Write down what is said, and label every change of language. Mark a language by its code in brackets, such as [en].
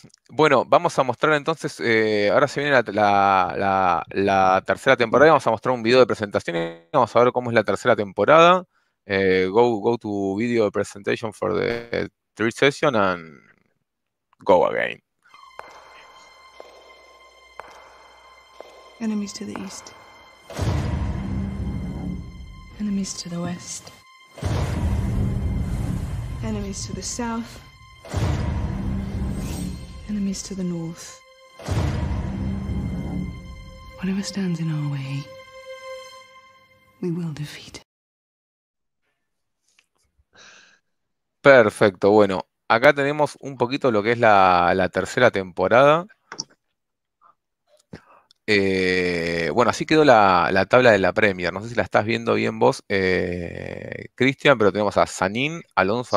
[es] Bueno, vamos a mostrar entonces, ahora se viene la tercera temporada, vamos a mostrar un video de presentación, vamos a ver cómo es la tercera temporada. [en] Go to video presentation for the third session and go again. Enemies to the east. Enemies to the west. Enemies to the south. Enemies to the north. Whatever stands in our way, we will defeat. [es] Perfecto, bueno, acá tenemos un poquito lo que es la tercera temporada. Bueno, así quedó la tabla de la Premier. No sé si la estás viendo bien vos, Cristian, pero tenemos a Sanín, Alonso